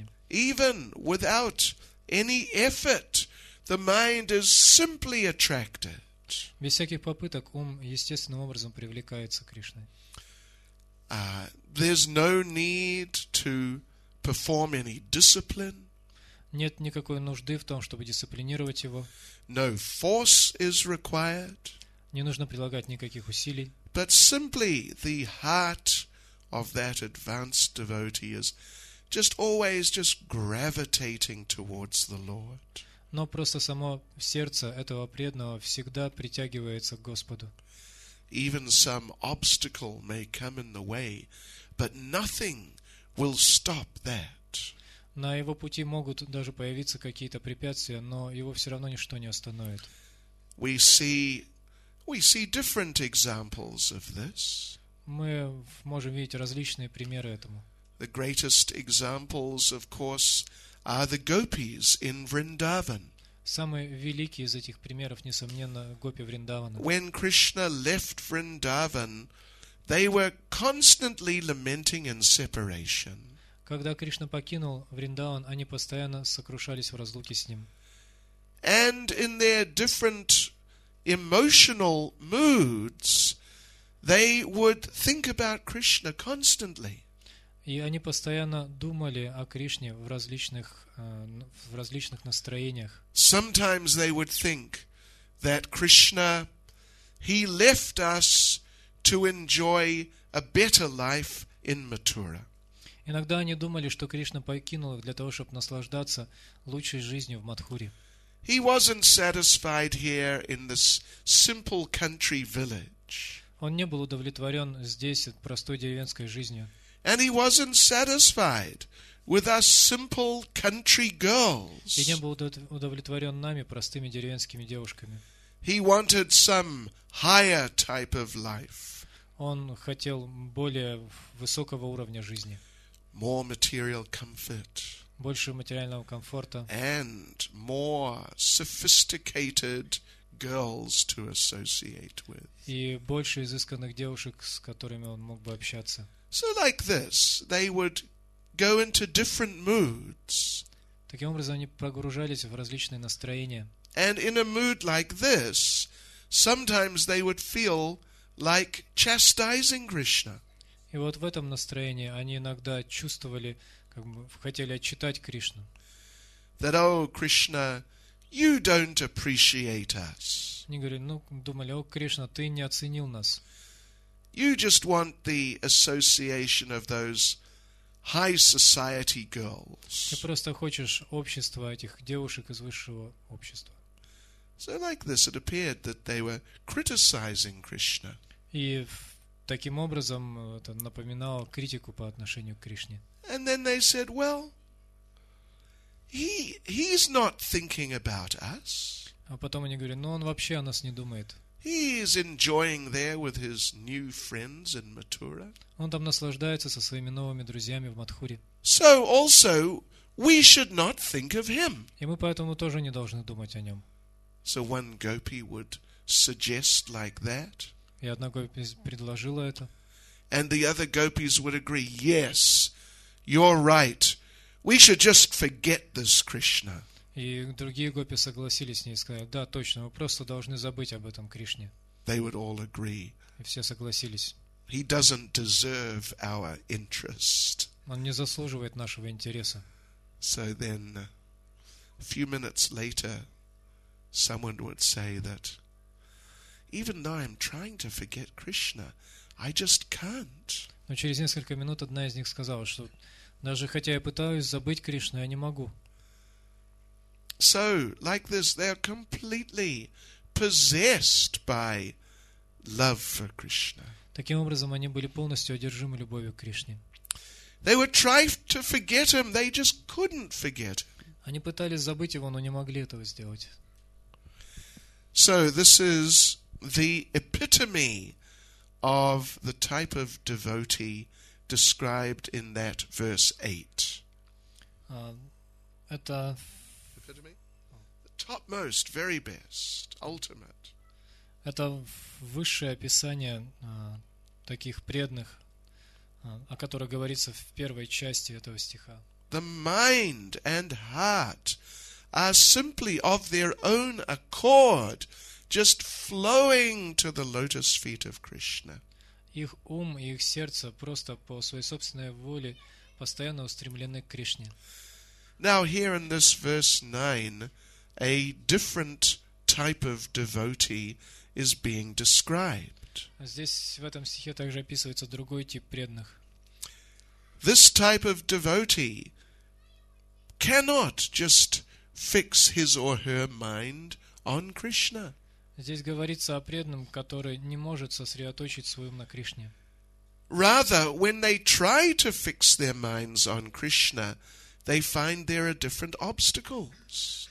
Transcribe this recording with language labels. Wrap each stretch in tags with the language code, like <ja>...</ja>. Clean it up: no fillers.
<en>Even without any effort, the mind is simply attracted.</en> <ru>Без всяких попыток ум естественным образом привлекается к Кришне.</ru> <en>There's no need to perform any discipline.</en> <ru>Нет никакой нужды в том, чтобы дисциплинировать его.</ru> <en>No force is required.</en> <ru>Не нужно прилагать никаких усилий.</ru> <en>But simply the heart of that advanced devotee is just always just gravitating towards the Lord.</en> <ru>Но просто само сердце этого преданного всегда притягивается к Господу.</ru> <en>Even some obstacle may come in the way, but nothing will stop that.</en> <ru>На его пути могут даже появиться какие-то препятствия, но его все равно ничто не остановит.</ru> <en>We see We see different examples of this.</en> <ru>Мы можем видеть различные примеры этому.</ru> <en>The greatest examples, of course, are the gopis in Vrindavan.</en> <ru>Самый великий из этих примеров, несомненно, гопи Вриндавана.</ru> <en>When Krishna left Vrindavan, they were constantly lamenting in separation.</en> <ru>Когда Кришна покинул Вриндаван, они постоянно сокрушались в разлуке с ним.</ru> <en>And in their different emotional moods, they would think about Krishna constantly.</en> <ru>И они постоянно думали о Кришне в различных настроениях.</ru> <en>Sometimes they would think that Krishna, he left us to enjoy a better life in Mathura.</en> <ru>Иногда они думали, что Кришна покинул их для того, чтобы наслаждаться лучшей жизнью в Матхуре.</ru> <en>He wasn't satisfied here in this simple country village.</en> <ru>Он не был удовлетворен здесь простой деревенской жизнью.</ru> <en>And he wasn't satisfied with us simple country girls.</en> <ru>И не был удовлетворен нами простыми деревенскими девушками.</ru> <en>He wanted some higher type of life.</en> <ru>Он хотел более высокого уровня жизни.</ru> <en>More material comfort.</en> <ru>Больше материального комфорта.</ru> <en>And more sophisticated girls to associate with.</en> <ru>И больше изысканных девушек, с которыми он мог бы общаться.</ru> <en>So like this, they would go into different moods.</en> <ru>Таким образом, они погружались в различные настроения.</ru> <en>And in a mood like this, sometimes they would feel like chastising Krishna.</en> <ru>И вот в этом настроении они иногда чувствовали, как бы хотели отчитать Кришну.</ru> <en>That, oh, Krishna, you don't appreciate us.</en> <ru>Они говорили, ну, думали, о, Кришна, ты не оценил нас.</ru> <en>You just want the association of those high society girls.</en> <ru>Ты просто хочешь общества этих девушек из высшего общества.</ru> <en>So like this, it appeared that they were criticizing Krishna.</en> <ru>И таким образом это напоминало критику по отношению к Кришне.</ru> <en>And then they said, well, he's not thinking about us.</en> <ru>А потом они говорили, ну он вообще о нас не думает.</ru> <en>He is enjoying there with his new friends in Mathura.</en> <ru>Он там наслаждается со своими новыми друзьями в Матхуре.</ru> <en>So also we should not think of him.</en> <ru>И мы поэтому тоже не должны думать о нем.</ru> <en>So one gopi would suggest like that.</en> <ru>И одна гопи предложила это.</ru> <en>And the other gopis would agree, yes, you're right. We should just forget this Krishna.</en> <ru>И другие гопи согласились с ней и сказали, да, точно, мы просто должны забыть об этом Кришне.</ru> <en>They would all agree.</en> <ru>И все согласились.</ru> <en>He doesn't deserve our interest.</en> <ru>Он не заслуживает нашего интереса.</ru> <en>So then, a few minutes later, someone would say that, even though I'm trying to forget Krishna, I just can't.</en> <ru>Но через несколько минут одна из них сказала, что даже хотя я пытаюсь забыть Кришну, я не могу.</ru> <en>So, like this, they are completely possessed by love for Krishna.</en> <ru>Таким образом, они были полностью одержимы любовью к Кришне.</ru> <en>They would try to forget him, they just couldn't forget.</en> <ru>Они пытались забыть его, но не могли этого сделать.</ru> <en>So, this is the epitome of the type of devotee described in that verse 8.</en> <ru>Это...</ru> <en>Topmost, very best, ultimate.</en> <ru>Это высшее описание таких преданных, о которых говорится в первой части этого стиха.</ru> <en>The mind and heart are simply of their own accord, just flowing to the lotus feet of Krishna.</en> <ru>Их ум и их сердце просто по своей собственной воле постоянно устремлены к Кришне.</ru> <en>Now here in this verse 9, a different type of devotee is being described.</en> <ru>Здесь в этом стихе также описывается другой тип преданных.</ru> <en>This type of devotee cannot just fix his or her mind on Krishna.</en> <ru>Здесь говорится о преданном, который не может сосредоточить свой ум на Кришне.</ru> <en>Rather, when they try to fix their minds on Krishna, they find there are different obstacles.</en>